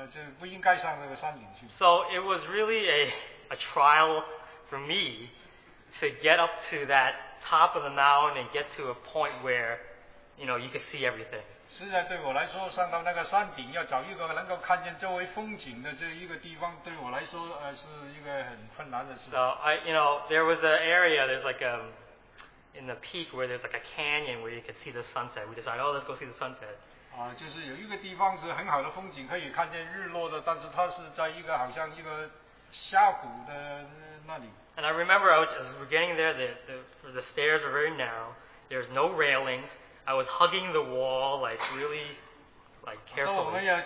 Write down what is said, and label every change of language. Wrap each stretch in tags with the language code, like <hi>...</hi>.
<zh>实际上其实我是有惧高的这个问题的，但就不应该上那个山顶去。</zh> <en>So it was really a trial for me to get up to that top of the mountain and get to a point where, you know, you could see everything.</en> <zh>实在对我来说，上到那个山顶，要找一个能够看见周围风景的这一个地方，对我来说，是一个很困难的事。</zh> <en>So I, you know, there was an area. There's like a in the peak where there's like a canyon where you could see the sunset. We decided, oh, let's go see the sunset.</en> <zh>就是有一个地方是很好的风景，可以看见日落的，但是它是在一个好像一个峡谷的那里。</zh> <en>And I remember I was just beginning there, the stairs were very narrow, there's no railings, I was hugging the wall like really like carefully.</en>